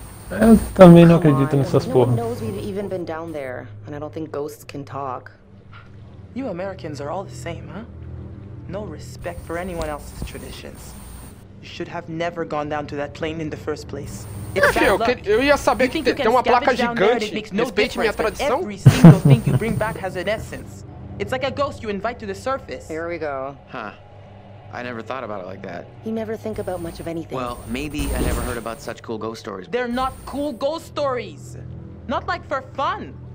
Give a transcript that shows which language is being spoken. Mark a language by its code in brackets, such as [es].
[pt] Eu também não acredito nessas porra. [en] No one knows we've even been down there, and I don't think ghosts can talk. You Americans are all the same, huh? No respect for anyone else's traditions. You should have never gone down to that plane in the first place. It's bad luck. [pt] Eu ia saber que tem uma placa gigante. Respeite minha tradição. [en] Every single thing you bring back has an essence. It's like a ghost you invite to the surface. Here we go. Huh. I never thought about it like that. You never think about much of anything. Well, maybe I never heard about such cool ghost stories. They're not cool ghost stories. Not like for fun.